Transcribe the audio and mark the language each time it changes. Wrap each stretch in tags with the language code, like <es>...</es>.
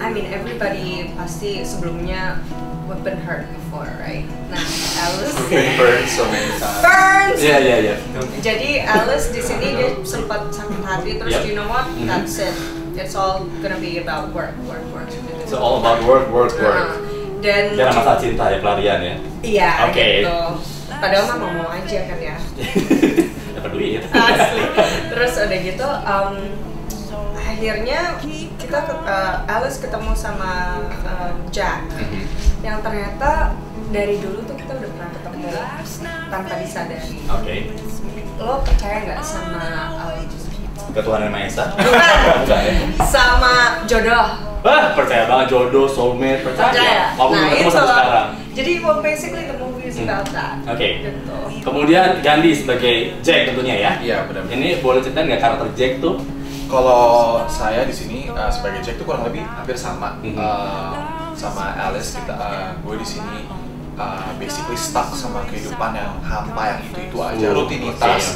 <en>Everybody</en> <id>pasti sebelumnya</id> <en>we've been hurt before, right?</en> <id>Nah, Alice.</id> <en>We've been burned so many times. Burned. Yeah.</en> <id>Jadi Alice di sini dia sempat sakit hati terus, yep.</id> <en>You know what? Mm-hmm. That's it. It's all gonna be about work, work, work. It's all about work, work, work.</en> <id>Dan karena masalah cinta ya, pelarian ya. Iya. Oke. Padahal mah mau aja kan ya. Dapat duit. Asli. Terus udah gitu, akhirnya kita Alice ketemu sama Jack, yang ternyata dari dulu tuh kita udah pernah ketemu tanpa disadari. Oke. Okay. Lo percaya nggak sama Ketuhanan Yang Maha Esa? Sama jodoh. Wah, percaya banget jodoh, soulmate, percaya. Waktu ketemu sama sekarang. Jadi,</id> <en>well, basically the movie is about that.</en> <id>Oke. Kemudian Gandhi sebagai Jack tentunya ya. Iya, benar. Ini boleh cerita nggak karakter Jack tuh? Kalau saya di sini sebagai Jack tuh kurang lebih hampir sama sama Alice. Kita gue di sini basically stuck sama kehidupan yang hampa, yang itu aja, rutinitas.</id>